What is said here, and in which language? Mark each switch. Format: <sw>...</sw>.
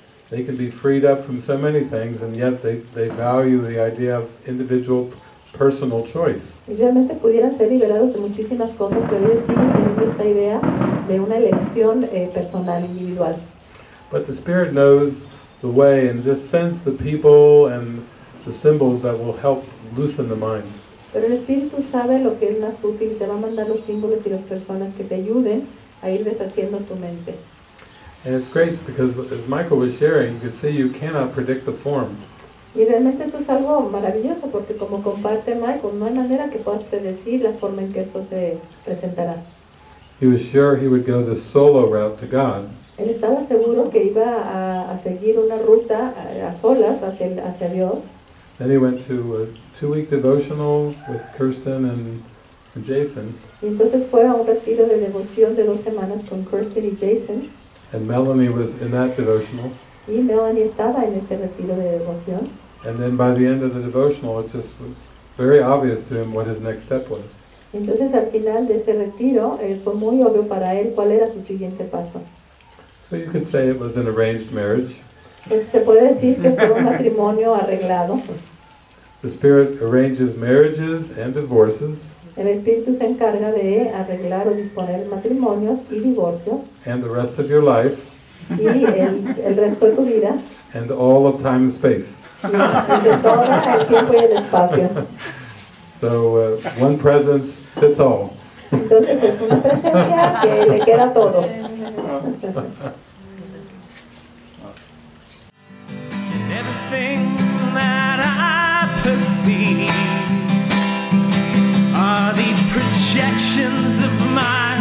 <en>They can be freed up from so many things, and yet they value the idea of individual personal choice.</en> <es>Realmente pudieran ser liberados de muchísimas cosas, pero ellos siguen teniendo esta idea de una elección personal individual.</es> <en>But the spirit knows the way and just sends the people and the symbols that will help loosen the mind.</en> <es>Pero el espíritu sabe lo que es más útil y te va a mandar los símbolos y las personas que te ayuden a ir deshaciendo tu mente.</es> <en>And it's great because, as Michael was sharing, you could see you cannot predict the form.</en> <es>Y realmente esto es algo maravilloso porque, como comparte Michael, no hay manera que puedas predecir la forma en que esto se presentará.</es> <en>He was sure he would go the solo route to God.</en> <es>Él estaba seguro que iba a seguir una ruta a solas hacia Dios.</es> <en>Then he went to a 2-week devotional with Kirsten and Jason.</en> <es>Y entonces fue a un retiro de devoción de 2 semanas con Kirsten y Jason.</es> <en>And Melanie was in that devotional.</en> <es>Y Melanie estaba en este retiro de devoción.</es> <en>And then by the end of the devotional, it just was very obvious to him what his next step was.</en> <es>Y entonces al final de ese retiro, fue muy obvio para él cuál era su siguiente paso.</es> <en>So you could say it was an arranged marriage.</en> <es>Pues se puede decir que fue un matrimonio arreglado.</es> <en>The spirit arranges marriages and divorces.</en> <es>El espíritu se encarga de arreglar o disponer matrimonios y divorcios.</es> <en>And the rest of your life.</en> <es>Y el resto de tu vida.</es> <en>And all of time and space.</en> <es>Y de todo el tiempo y el espacio.</es> <en>So one presence fits all.</en> <es>Entonces es una presencia que le queda a todos.</es> <en>Everything that I perceive are the projections of my</en>